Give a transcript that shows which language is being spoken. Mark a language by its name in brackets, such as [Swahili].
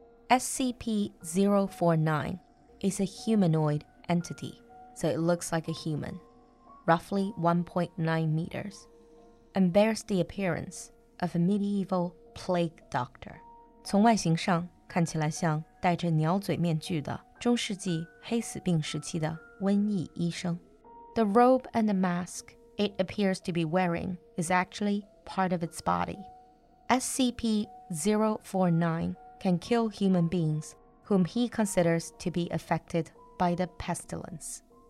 [English] SCP-049 is a humanoid entity, so it looks like a human, roughly 1.9 meters, and bears the appearance of a medieval plague doctor. [Chinese] 从外形上看起来像戴着鸟嘴面具的 中世纪黑死病时期的瘟疫医生. [English] The robe and the mask it appears to be wearing is actually part of its body. SCP-049 can kill human beings whom he considers to be affected by the pestilence.